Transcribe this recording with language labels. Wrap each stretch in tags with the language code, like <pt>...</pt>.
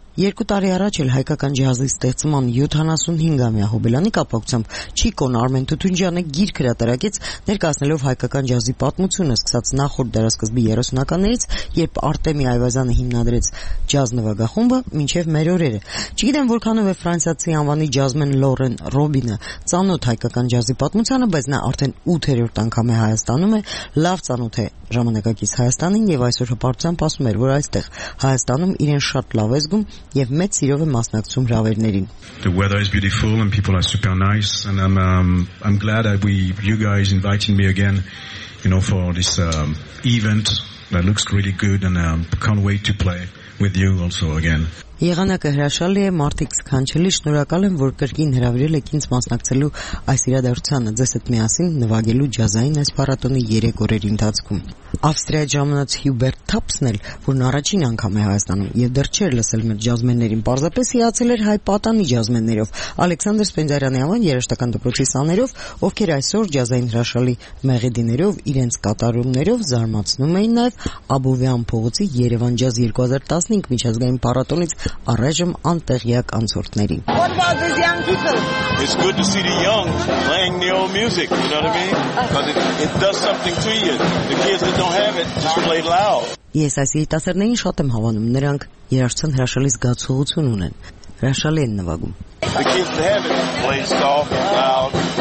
<hy>2 տարի առաջ էլ հայկական ջազի ստեղծման 75-ամյա հոբելանի կապակցությամբ Չիկոն Արմեն Թութունջյանը գիրք հրատարակեց, ներկայացնելով հայկական ջազի պատմությունը, սկսած նախորդ դարասկզբի 30-ականներից, երբ Արտեմի Այվազյանը հիմնադրեց ջազ նվագախումբը, մինչև մեր օրերը։ Չգիտեմ, որքանով է ֆրանսիացի անվանի ջազմեն Լորեն Ռոբինը ծանոթ հայկական ջազի պատմությանը, բայց նա արդեն 8-րդ անգամ է Հայաստանում, է լավ ծանոթ է ժամանակակից Հայաստանին եւ այսօր հպարտությամբ ասում է, որ այստեղ Հայաստանում իրեն շատ լավ է զգում եւ մեծ սիրով է մասնակցում հավերներին։</hy> <en>The weather is beautiful and people are super nice and I'm glad that you guys inviting me again, you know, for this event that looks really good and can't wait to play with you also again.</en> <hy>Եղանակը հրաշալի է, մարդիկ սքանչելի, շնորհակալ եմ, որ կրկին հրավիրել եք ինձ մասնակցելու այս իրադարձությանը, ձեզ հետ միասին նվագելու ջազային այս փառատոնի 3 օրերի ընթացքում։ Ավստրիա ժամանած Հյուբերտ Թապսն էլ, որն առաջին անգամ է Հայաստանում եւ դեռ չէր լսել մեր ջազմեններին, պարզապես հիացել էր հայ պատանի ջազմեններով, Ալեքսանդր Սպենդարյանի անվան երաժշտական դպրոցի սաներով, ովքեր այսօր ջազային հրաշալի մեղեդիներով իրենց կատարումներով զարմացնում էին նաեւ Աբովյան փողոցի Երևան Ջազ 2015 միջազգային փառատոնից առայժմ անտեղյակ անցորդներին։</hy> <en>It's good to see the young playing the old music, you know what I mean? Because it does something to you. The kids that don't have it just play loud.</en> <hy>Ես այս երիտասարդներին շատ եմ հավանում, նրանք երաժշտության հրաշալի զգացողություն ունեն, հրաշալի են նվագում.</hy> <en>The kids that have it play soft and loud.</en>